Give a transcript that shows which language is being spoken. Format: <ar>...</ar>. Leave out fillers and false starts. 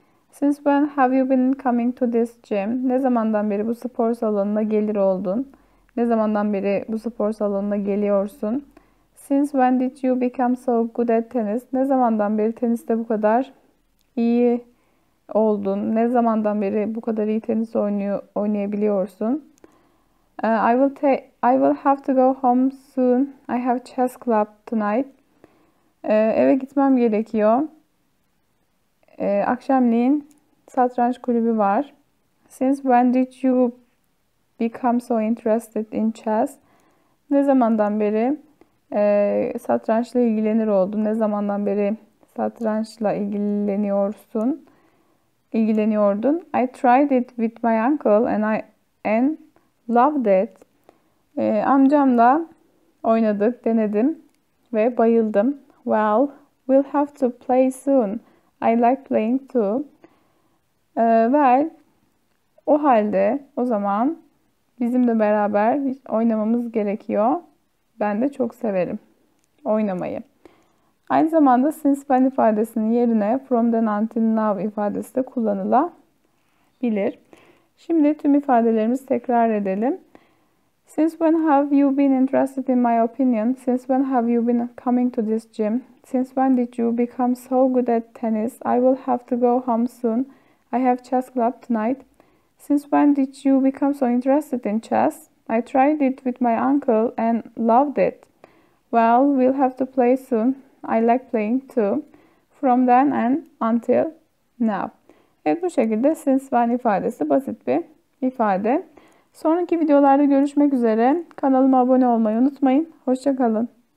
<en>Since when have you been coming to this gym?</en> <tr>Ne zamandan beri bu spor salonuna gelir oldun? Ne zamandan beri bu spor salonuna geliyorsun?</tr> <en>Since when did you become so good at tennis?</en> <tr>Ne zamandan beri teniste bu kadar iyi oldun? Ne zamandan beri bu kadar iyi tenis oynayabiliyorsun?</tr> <en>I will have to go home soon. I have chess club tonight.</en> <tr>Eve gitmem gerekiyor. Akşamleyin satranç kulübü var.</tr> <en>Since when did you become so interested in chess?</en> <tr>Ne zamandan beri satrançla ilgilenir oldun? Ne zamandan beri satrançla ilgileniyorsun? İlgileniyordun.</tr> <en>I tried it with my uncle and loved it.</en> <tr>Amcamla oynadık, denedim ve bayıldım.</tr> <en>Well, we'll have to play soon. I like playing too. Well,</en> <tr>o halde o zaman bizim de beraber oynamamız gerekiyor. Ben de çok severim oynamayı. Aynı zamanda</tr> <en>since when</en> <tr>ifadesinin yerine</tr> <en>from then until now</en> <tr>ifadesi de kullanılabilir. Şimdi tüm ifadelerimizi tekrar edelim.</tr> <en>Since when have you been interested in my opinion? Since when have you been coming to this gym? Since when did you become so good at tennis? I will have to go home soon. I have chess club tonight. Since when did you become so interested in chess? I tried it with my uncle and loved it. Well, we'll have to play soon. I like playing too. From then and until now.</en> <tr>Evet, bu şekilde</tr> <en>since when</en> <tr>ifadesi basit bir ifade. Sonraki videolarda görüşmek üzere. Kanalıma abone olmayı unutmayın. Hoşça kalın.</tr>